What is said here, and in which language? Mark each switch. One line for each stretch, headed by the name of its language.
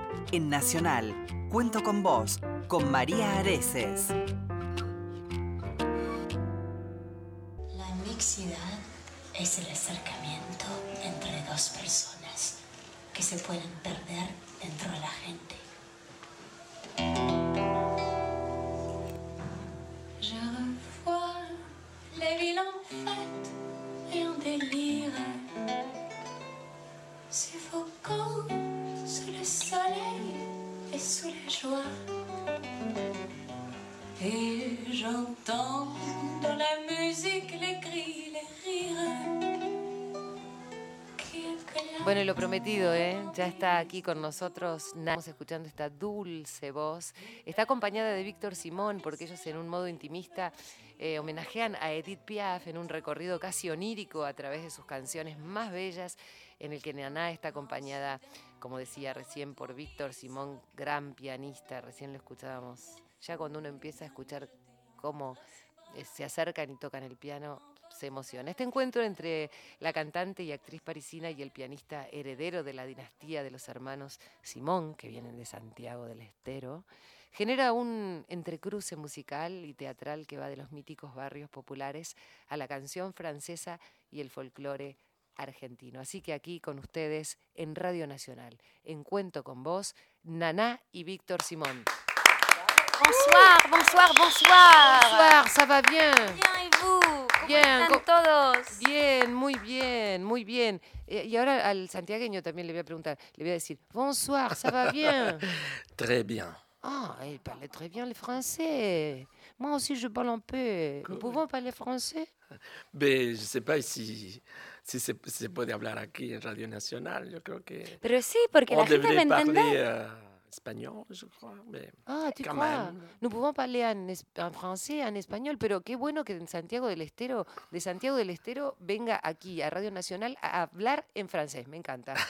Spanish: En Nacional, cuento con vos, con María Areces. La mixidad es el acercamiento entre dos personas que se pueden perder dentro de la gente.
French: Je revois la ville en fête et en délire, suffoquant sous le soleil et sous la joie. Et j'entends dans la musique les cris, les rires.
Spanish: Bueno, y lo prometido, ya está aquí con nosotros. Estamos escuchando esta dulce voz. Está acompañada de Víctor Simón, porque ellos en un modo intimista homenajean a Edith Piaf en un recorrido casi onírico a través de sus canciones más bellas, en el que Naná está acompañada, como decía recién, por Víctor Simón, gran pianista. Recién lo escuchábamos. Ya cuando uno empieza a escuchar cómo se acercan y tocan el piano, se emociona. Este encuentro entre la cantante y actriz parisina y el pianista heredero de la dinastía de los hermanos Simón, que vienen de Santiago del Estero, genera un entrecruce musical y teatral que va de los míticos barrios populares a la canción francesa y el folclore argentino. Así que aquí con ustedes en Radio Nacional, en Cuento con Vos, Naná y Víctor Simón.
French: Bonsoir, bonsoir, bonsoir. Bonsoir, ça va bien? Bien, et vous?
Spanish: Bien, ¿cómo están todos? Bien, muy bien, muy bien. Y ahora al santiagueño también le voy a preguntar, le voy a decir,
French: bonsoir, ¿ça va bien? Très bien. Ah, il parle très bien le français. Moi aussi, je parle un peu. Nous pouvons parler français? Mais je ne sais pas si...
Spanish: Sí, se puede hablar aquí en Radio Nacional, yo creo que... Pero sí, porque la gente me entiende. Español, yo creo. Ah, tú crees. No podemos hablar en francés, en español, pero qué bueno que de Santiago del Estero venga aquí a Radio Nacional a hablar en francés, me encanta.